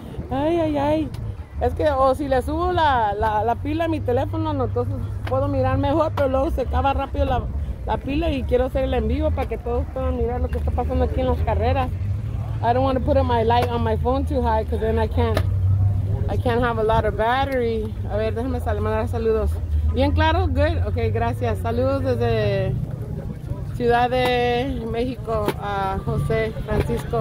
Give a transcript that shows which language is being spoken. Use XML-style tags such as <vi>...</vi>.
<es>Ay, ay, ay. Es que si le subo la pila a mi teléfono, no, entonces puedo mirar mejor, pero luego se acaba rápido la pila y quiero hacer el en vivo para que todos puedan mirar lo que está pasando aquí en las carreras.</es> <en>I don't want to put my light on my phone too high because then I can't have a lot of battery.</en> <es>A ver, déjame mandar saludos. ¿Bien claro? Good. Ok, gracias. Saludos desde Ciudad de México a José Francisco.</es>